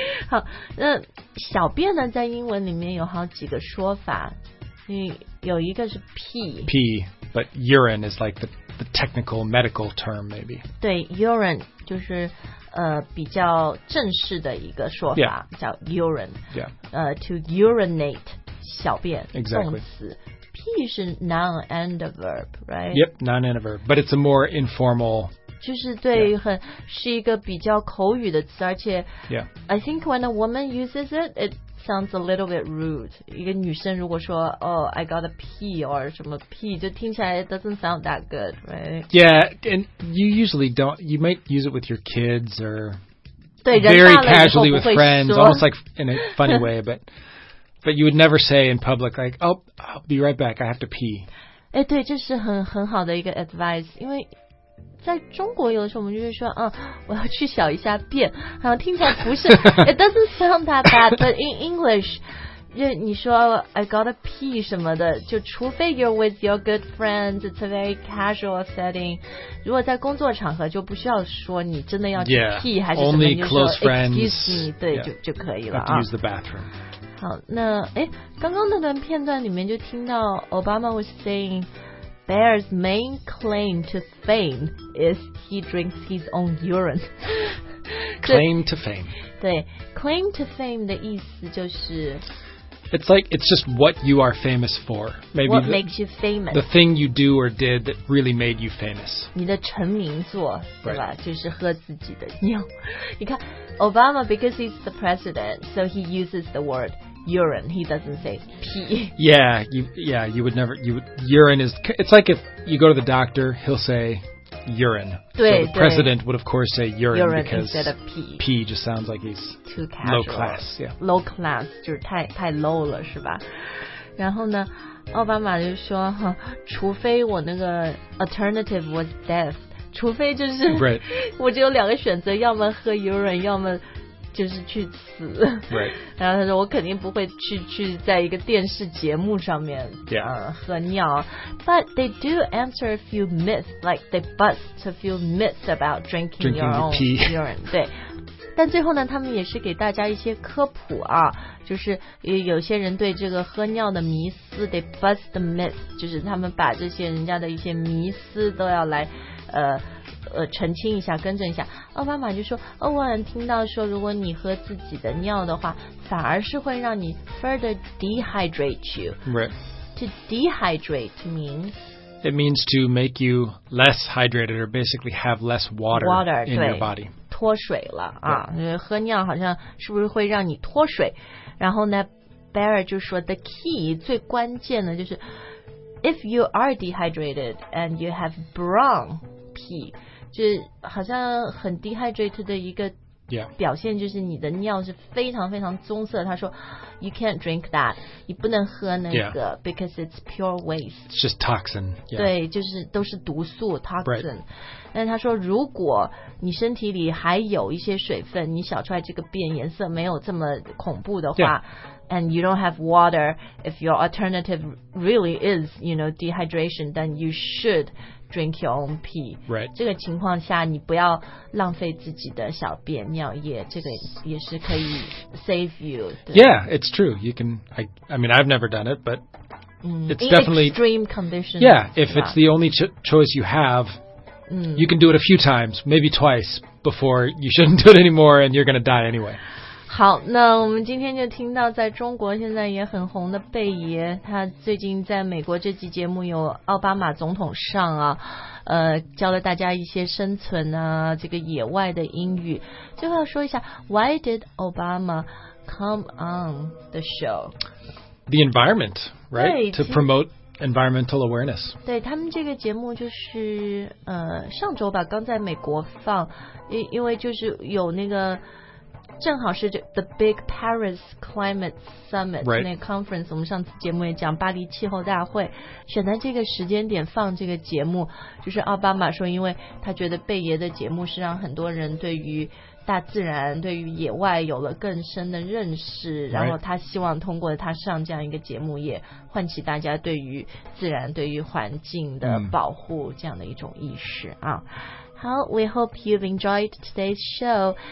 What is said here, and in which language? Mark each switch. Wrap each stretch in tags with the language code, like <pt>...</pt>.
<zh>好，那小便呢，在英文里面有好几个说法。有一个是 pee.</zh> <en>Pee, but urine is like the technical medical term, maybe.</en> <zh>对 ，urine 就是比较正式的一个说法，</zh> <en>yeah.</en> <zh>叫 urine.</zh> <en>Yeah. To urinate, 小便 exactly.</en> <zh>动词。屁是</zh> <en>noun and a verb, right? Yep, noun and a verb. But it's a more informal...</en> <zh>就是对很、yeah. 是一个比较口语的词而且、</zh> <en>yeah. I think when a woman uses it, it sounds a little bit rude.</en> <zh>一个女生如果说</zh> <en>Oh, I got a pee or 什么 pee,</en> <zh>就听起来</zh> <en>it doesn't sound that good, right? Yeah, and you usually don't... You might use it with your kids or...</en> <zh>对</zh> <en>very casually with friends, almost like in a funny way, but... But you would never say in public, like, oh, I'll be right back, I have to pee.</en> <zh>哎，对，这是很好的一个 advice， 因为在中国有的时候我们就会说，嗯，我要去小一下便，好像听起来不是</zh> <en>it doesn't sound that bad， but in English，</en> <zh>你说</zh> <en>I gotta pee</en> <zh>什么的，就除非</zh> <en>you're with your good friends， it's a very casual setting，</en> <zh>如果在工作场合就不需要说你真的要去 pee，</zh> <en>yeah,</en> <zh>还是什么，</zh> <en>only</en> <zh>你就说</zh> <en>close friends, excuse me， 对， yeah,</en> <zh>就可以了啊。</zh> <en>Have to use the bathroom。</en> <zh>好，那哎，刚刚那段片段里面就听到</zh> <en>Obama was saying Bear's main claim to fame is he drinks his own urine. Claim to fame.</en> <zh>对 ，claim to fame 的意思就是</zh> <en>，it's like it's just what you are famous for. Maybe what makes you famous? The thing you do or did that really made you famous.</en> <zh>你的成名作，对吧？ Right. 就是喝自己的尿。你看</zh> <en>Obama because he's the president, so he uses the word. Urine. He doesn't say pee. Yeah, you would never. Urine is. It's like if you go to the doctor, he'll say urine. 对 so the president would of course say urine because instead of pee. Pee just sounds like he's too casual. Low class. Yeah.</en> <zh>Low class 就是太 low 了，是吧？然后呢，奥巴马就说，除非我那个</zh> <en>alternative was death，</en> <zh>除非就是、</zh> <en>right.</en> <zh>我只有两个选择，要么喝 urine， 要么。就是去死、</zh> <en>right.</en> <zh>然后他说我肯定不会去在一个电视节目上面、</zh> <en>yeah.</en> <zh>喝尿</zh> <en>But they do answer a few myths Like they bust a few myths about drinking your own urine</en> <zh>但最后呢他们也是给大家一些科普啊就是有些人对这个喝尿的迷思</zh> <en>They bust the myths</en> <zh>就是他们把这些人家的一些迷思都要来澄清一下更正一下奥巴马就说哦，我很听到说如果你喝自己的尿的话反而是会让你</zh> <en>further dehydrate you right to dehydrate means it means to make you less hydrated or basically have less water in your body</en> <zh>脱水了啊、yeah. 喝尿好像是不是会让你脱水然后呢 Bear 就说 the key 最关键的就是</zh> <en>if you are dehydrated and you have brown pee</en> <zh>就好像很 dehydrated 的一个表现就是你的尿是非常非常棕色他说</zh> <en>you can't drink that</en> <zh>你不能喝那个、</zh> <en>yeah. because it's pure waste it's just toxin、yeah.</en> <zh>对就是都是毒素 toxin、</zh> <en>right.</en> <zh>但他说如果你身体里还有一些水分你小出来这个便颜色没有这么恐怖的话、</zh> <en>yeah. and you don't have water if your alternative really is you know dehydration then you shouldDrink your own pee. Right.</en> <zh>这个情况下，你不要浪费自己的小便尿液，这个也是可以</zh> <en>save you. Yeah, it's true. You can. I mean, I've never done it, but it's in definitely extreme conditions. Yeah, if it's the only choice you have, you can do it a few times, maybe twice before you shouldn't do it anymore, and you're going to die anyway.</en> <zh>好，那我们今天就听到在中国现在也很红的贝爷，他最近在美国这期节目有奥巴马总统上啊，教了大家一些生存啊，这个野外的英语。最后要说一下</zh> <en>，Why did Obama come on the show? The environment, right? To promote environmental awareness.</en> <zh>对他们这个节目就是上周吧，刚在美国放，因为就是有那个。正好是</zh> <en>the Big Paris Climate Summit、 right.</en> <zh>那个 conference 我们上次节目也讲巴黎气候大会选在这个时间点放这个节目就是奥巴马说因为他觉得贝爷的节目是让很多人对于大自然对于野外有了更深的认识然后他希望通过他上这样一个节目也唤起大家对于自然对于环境的保护这样的一种意识啊好</zh> <en>we hope you've enjoyed today's show.</en>